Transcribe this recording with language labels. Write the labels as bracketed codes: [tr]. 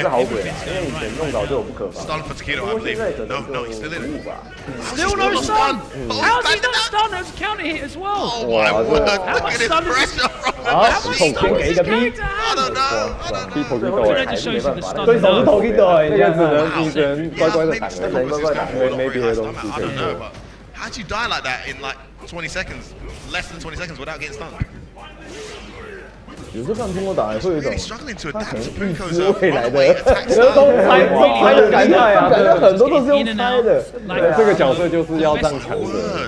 [zh] 是好鬼啊，因为以前弄倒就有不可防。 [en] Stun for Tokido, I believe. No, no, he's still in. Still no stun. How's he not stunned? There's a counter hit as well. Oh my word! Look at his pressure. How much stun is his character? I don't know. I don't know. [zh] 对手是 Tokido，这样子只能乖乖的打，只能乖乖打，没别的东西。对。 [en] How'd you die like that in like 20 seconds, less than 20 seconds without getting stunned? [zh] 有时候看通过打来会有一种，他可能预知未来的，很多都猜的感觉啊，感觉很多都是用猜的。这个角色就是要这样强的，